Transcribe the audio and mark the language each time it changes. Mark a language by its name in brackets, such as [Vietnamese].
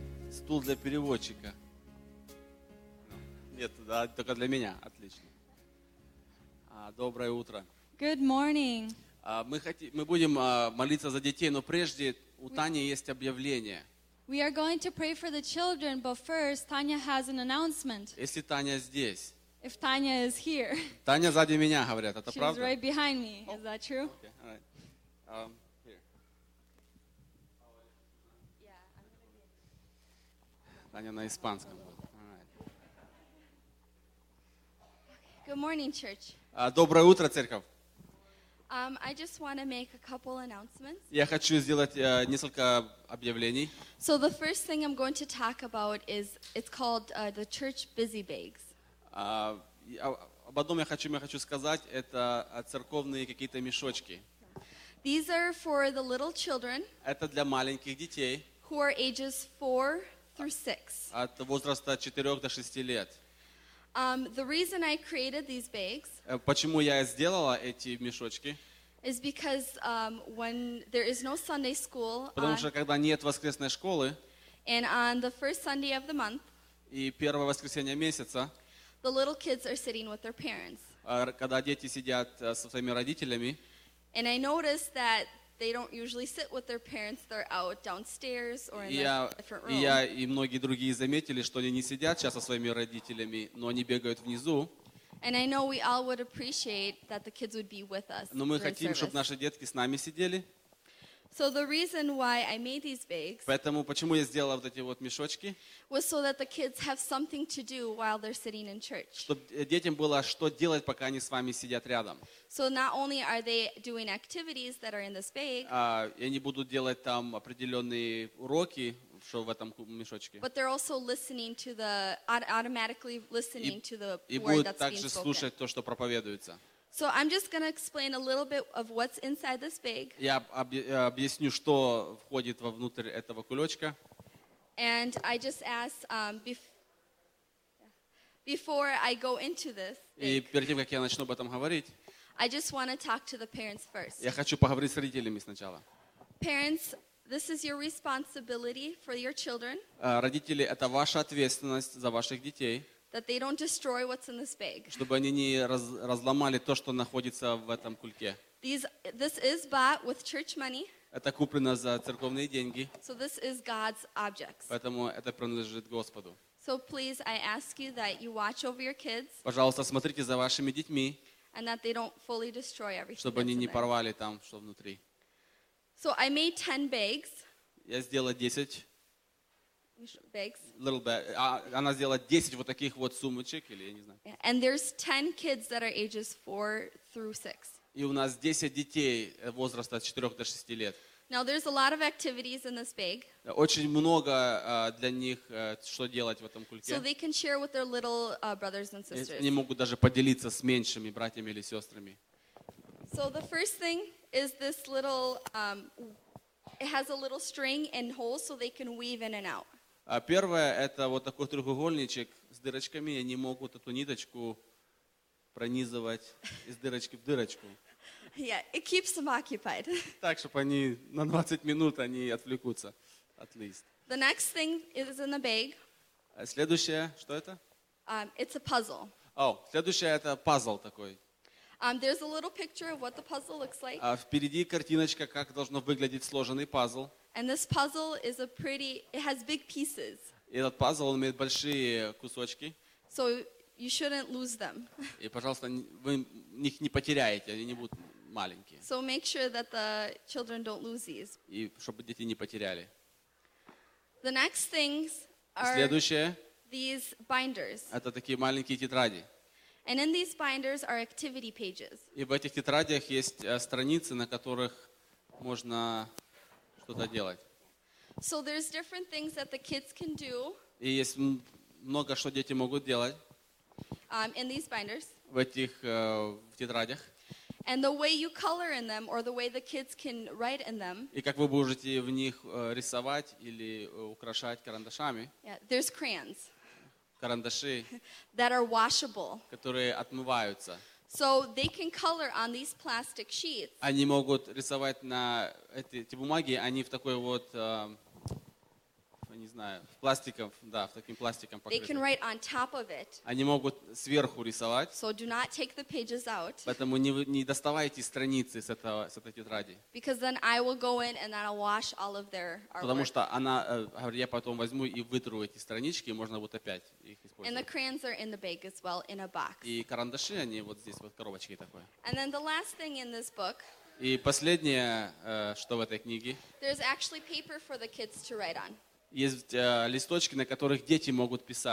[Russian] Стул для переводчика. Нет, да, только для меня. Отлично. Доброе утро. [English] Good morning. [Russian] Мы будем молиться за детей, но прежде у Тани есть объявление. [English] We are going to pray for the children, but first Tanya has an announcement. [Russian] Если Таня здесь. [English] If Tanya is here. [Russian] Таня сзади меня, говорят, это правда? [English] She's right behind me. Oh. Is that true? Okay, all right. [Russian] Таня на испанском. [English] Good morning, church. [Russian] Доброе утро, церковь. [English] I just want to make a couple announcements. [Russian] Я хочу сделать несколько объявлений. [English] So the first thing I'm going to talk about is it's called the church busy bags. [Russian] Об одном я хочу сказать, это церковные какие-то мешочки. [English] These are for the little children. [Russian] Это для маленьких детей. [English] Who are ages 4 through 6. [Russian] От возраста 4 до 6 лет. [English] The reason I created these bags. [Russian] Почему я сделала эти мешочки? [English] Is because when there is no Sunday school. [Russian] Потому что когда нет воскресной школы. [English] And on the first Sunday of the month. [Russian] И первое воскресенье месяца. [English] The little kids are sitting with their parents. [Russian] Когда дети сидят со своими родителями. [English] And I noticed that they don't usually sit with their parents. They're out downstairs or in a different room. [Russian] Я и многие другие заметили, что они не сидят сейчас со своими родителями, но они бегают внизу. [English] And I know we all would appreciate that the kids would be with us. [Russian] Но мы хотим, чтобы наши детки с нами сидели. [English] So the reason why I made these bags. [Russian] Поэтому почему я сделала вот эти вот мешочки? [English] Was so that the kids have something to do while they're sitting in church. [Russian] Чтобы детям было что делать, пока они с вами сидят рядом. [English] So not only are they doing activities that are in this bag. [Russian] Они будут делать там определенные уроки, что в этом мешочке. [English] But they're also listening to the automatically listening to the word that's being spoken. [Russian] И будут также слушать то, что проповедуется. [English] So I'm just going to explain a little bit of what's inside this bag. [Russian] Я объясню, что входит во внутрь этого кулечка. [English] And I just ask before I go into this. [Russian] И перед тем, как я начну об этом говорить. [English] I just want to talk to the parents first. [Russian] Я хочу поговорить с родителями сначала. [English] Parents, this is your responsibility for your children. [Russian] Родители, это ваша ответственность за ваших детей. [English] That they don't destroy what's in this bag. [Russian] Чтобы они не разломали то, что находится в этом кульке. [English] This is bought with church money. [Russian] Это куплено за церковные деньги. [English] So this is God's objects. [Russian] Поэтому это принадлежит Господу. [English] So please, I ask you that you watch over your kids. [Russian] Пожалуйста, смотрите за вашими детьми. [English] And that they don't fully destroy everything. [Russian] Чтобы они не порвали там, что внутри. [English] So I made 10 bags. [Russian] Я сделала 10. [English] Bags. Little bag. [Russian] Она сделала 10 вот таких вот сумочек, или я не знаю. [English] And there's 10 kids that are ages 4 through 6. [Russian] И у нас 10 детей возраста от 4 до 6 лет. [English] Now there's a lot of activities in this bag. [Russian] Очень много для них что делать в этом кульке. [English] So they can share with their little brothers and sisters. [Russian] Они могут даже поделиться с меньшими братьями или сестрами. [English] So the first thing is this little. It has a little string and holes so they can weave in and out. [Russian] Первое, это вот такой треугольничек с дырочками. Они могут эту ниточку пронизывать из дырочки в дырочку. [English] Yeah, it keeps them occupied. [Russian] Так, чтобы они на 20 минут они отвлекутся, [English] at least. The next thing is in the bag. [Russian] Следующее, что это? [English] It's a puzzle. [Russian] Следующее, это пазл такой. [English] There's a little picture of what the puzzle looks like. [Russian] Впереди картиночка, как должно выглядеть сложенный пазл. [English] And this puzzle is a pretty, it has big pieces. [Russian] Этот пазл, он имеет большие кусочки. [English] So you shouldn't lose them. [Russian] И, пожалуйста, вы их не потеряете, они не будут маленькие. [English] So make sure that the children don't lose these. [Russian] И чтобы дети не потеряли. [English] The next things are [Russian] следующее. [English] These binders. [Russian] Это такие маленькие тетради. [English] And in these binders are activity pages. [Russian] И в этих тетрадях есть страницы, на которых можно что-то делать. [English] So there's different things that the kids can do. [Russian] И есть много, что дети могут делать. [English] In these binders. [Russian] В этих тетрадях. [English] And the way you color in them, or the way the kids can write in them. [Russian] И как вы можете в них рисовать или украшать карандашами? [English] Yeah, there's crayons. [Russian] Карандаши. [English] That are washable. [Russian] Которые отмываются. [English] So they can color on these plastic sheets. [Russian] Они могут рисовать на эти бумаги, они в такой вот, не знаю, в пластиком, да, в таким пластиком покрытым. [English] They can write on top of it. [Russian] Они могут сверху рисовать. [English] So do not take the pages out. [Russian] Поэтому не доставайте страницы с этой тетради. [English] Because then I will go in and then I'll wash all of their artwork. [Russian] Потому что она, говорит, я потом возьму и вытру эти странички, и можно будет опять их использовать. [English] And the crayons are in the bag as well, in a box. [Russian] И карандаши, они вот здесь, вот коробочки такое. [English] And then the last thing in this book. [Russian] И последнее, что в этой книге. [English] There's actually paper for the kids to write on. [Russian] Есть листочки, на которых дети могут